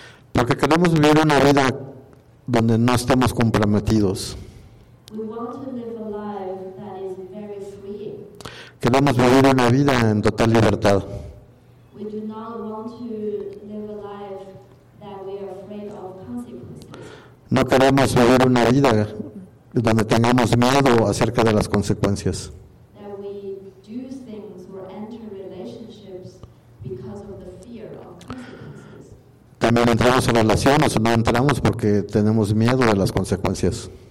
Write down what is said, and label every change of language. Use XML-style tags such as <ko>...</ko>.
<es>Porque queremos vivir una vida donde no estemos comprometidos.</es> <en>We want to live a life that is very freeing.</en> <es>Que Queremos vivir una vida en total libertad.</es> <en>We do not want to live a life that we are afraid of consequences.</en> <es>No queremos vivir una vida donde tengamos miedo acerca de las consecuencias.</es> <en>That we do things or enter relationships because of the fear of consequences.</en> <es>También entramos en relaciones o no entramos porque tenemos miedo de las consecuencias.</es>